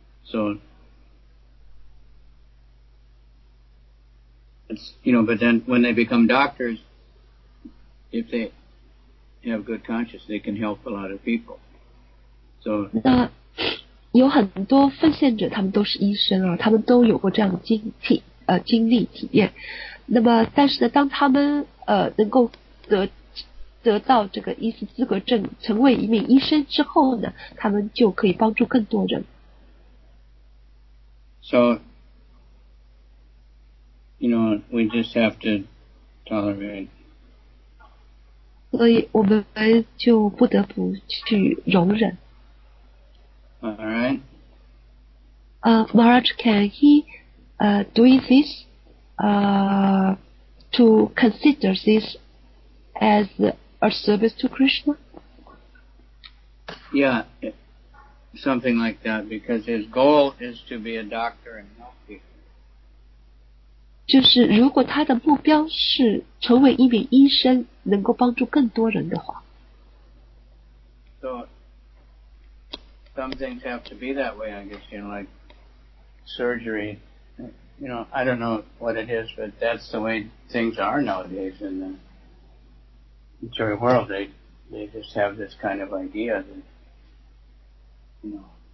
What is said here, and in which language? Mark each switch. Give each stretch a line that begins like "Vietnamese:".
English: So, it's, you know, but then when they become doctors, if they have good conscience, they can help a lot of people. So,
Chinese: 有很多奉献者，他们都是医生啊，他们都有过这样的经历体验。那么，但是呢，当他们能够得到这个医师资格证，成为一名医生之后呢，他们就可以帮助更多人。
English: So, you know, we just have to tolerate.
Chinese: 所以我们就不得不去容忍。
English: Alright. Maharaj, can he do this to consider this as a service to Krishna? Yeah, something like that, because his goal is to be a doctor and help people.
Chinese: 就是如果他的目标是成为一名医生，能够帮助更多人的话。
English: So,Some things have to be that way, I guess, you know, like surgery. You know, I don't know what it is, but that's the way things are nowadays in the material world. They just have this kind of idea that, you know.